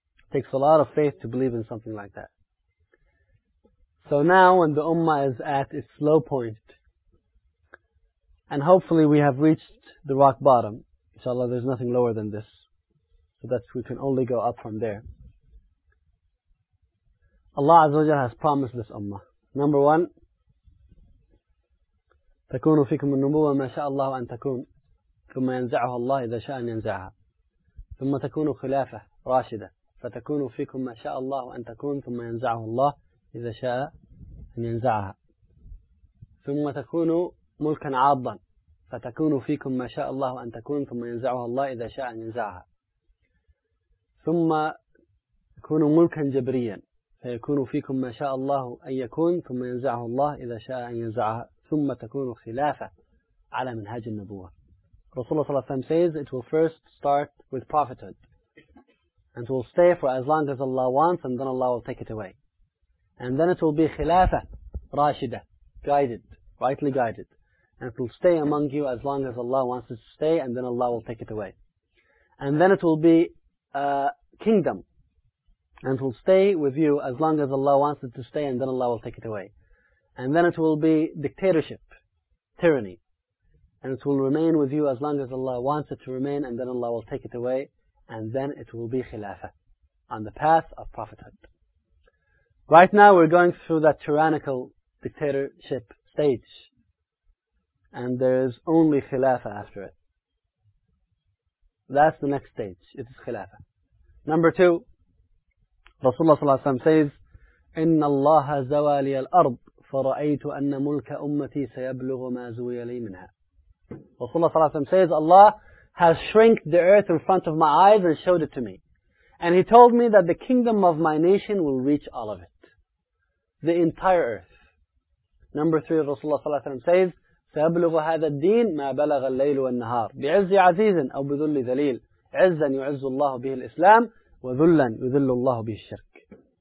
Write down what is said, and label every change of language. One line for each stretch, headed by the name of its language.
English: It takes a lot of faith to believe in something like that. So now when the Ummah is at its low point, and hopefully we have reached the rock bottom, inshallah there's nothing lower than this, so that we can only go up from there. Allah Azza wa Jalla has promised this Ummah. Number one,
Arabic: تكون فيكم النبوة ما شاء الله أن تكون ثم ينزعها الله إذا شاء أن ينزعها ثم تكون خلافة راشدة فتكون فيكم ما شاء الله أن تكون ثم ينزعها الله إذا شاء أن ينزعها ثم تكون ملكا عاضا فتكون فيكم ما شاء الله أن تكون ثم ينزعها الله إذا شاء أن ينزعها ثم تكون ملكا جبريا فيكون فيكم ما شاء الله أن يكون ثم ينزعه الله إذا شاء أن ينزعها ثم تكون خلافة على منهاج النبوة.
English: Rasulullah صلى الله عليه وسلم says it will first start with prophethood and will stay for as long as Allah wants, and then Allah will take it away, and then it will be خلافة راشدة, guided, rightly guided, and it will stay among you as long as Allah wants it to stay, and then Allah will take it away, and then it will be a kingdom and it will stay with you as long as Allah wants it to stay, and then Allah will take it away. And then it will be dictatorship, tyranny. And it will remain with you as long as Allah wants it to remain, and then Allah will take it away. And then it will be khilafah, on the path of prophethood. Right now we're going through that tyrannical dictatorship stage, and there is only khilafah after it. That's the next stage. It is khilafah. Number two, Rasulullah sallallahu alayhi wa sallam says,
Arabic: إِنَّ اللَّهَ زَوَى لِيَ الْأَرْضِ فَرَأَيْتُ أَنَّ مُلْكَ أُمَّتِي سَيَبْلُغُ مَا زُوِيَ لِي مِنْهَا.
English: Rasulullah sallallahu alayhi wa sallam says, Allah has shrunk the earth in front of my eyes and showed it to me. And He told me that the kingdom of my nation will reach all of it, the entire earth. Number three, Rasulullah sallallahu alayhi wa sallam says,
Arabic: سَيَبْلُغُ هَذَا الدِّينَ مَا بَلَغَ اللَّيْلُ وَالنَّهَارِ بِعِزِّ عَزِيزٍ أَوْ بِذُلِّ ذَلِيلٍ عِزًّا يُعِزُّ اللَّهُ بِهِ الْإِسْلَامِ وَذُلًّا يُذِلُّ اللَّهُ بِهِ الشِّرْكِ.